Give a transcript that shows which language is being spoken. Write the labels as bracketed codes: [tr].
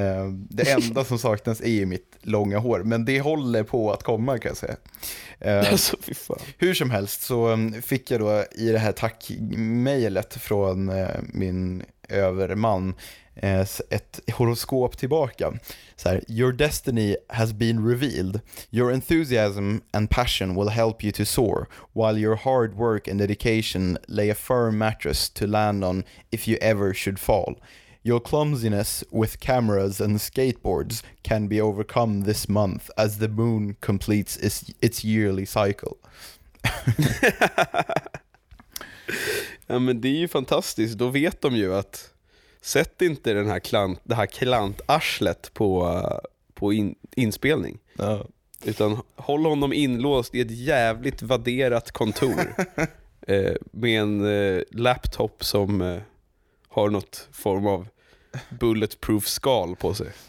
[sv] Det enda som saknas är ju mitt långa hår, men det håller på att komma kan jag säga. Alltså, fy fan. Hur som helst så fick jag då i det här tackmejlet från min överman ett horoskop tillbaka. Så här, [en] your destiny has been revealed. Your enthusiasm and passion will help you to soar, while your hard work and dedication lay a firm mattress to land on if you ever should fall. Your clumsiness with cameras and skateboards can be overcome this month as the moon completes its yearly cycle. [sv] Ja, men det är ju fantastiskt. Då vet de ju att sätt inte den här klant, det här klantarslet på inspelning. Ja. Utan håll honom inlåst i ett jävligt vadderat kontor med en laptop som har något form av bulletproof skal på sig.